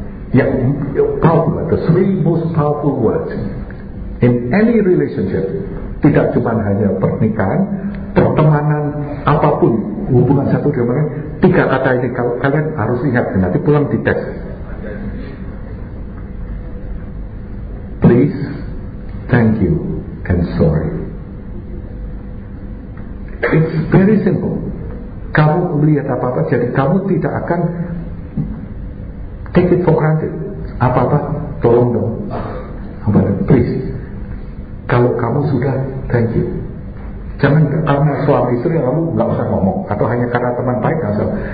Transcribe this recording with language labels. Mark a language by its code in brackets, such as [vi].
[en] Yang powerful, the three most powerful words in any relationship. [id] Tidak cuma hanya pernikahan, pertemanan, apapun hubungan satu dengan lain. Tiga kata ini kalian harus ingat, nanti pulang di tes. [en] Please, thank you, and sorry. It's very simple. [id] Kamu melihat apa-apa, jadi kamu tidak akan [en] take it for granted. [id] Apa-apa, tolong dong. Please, kalau kamu sudah, thank you. Jangan karena suami istri kamu nggak usah ngomong, atau hanya karena teman baik nggak usah.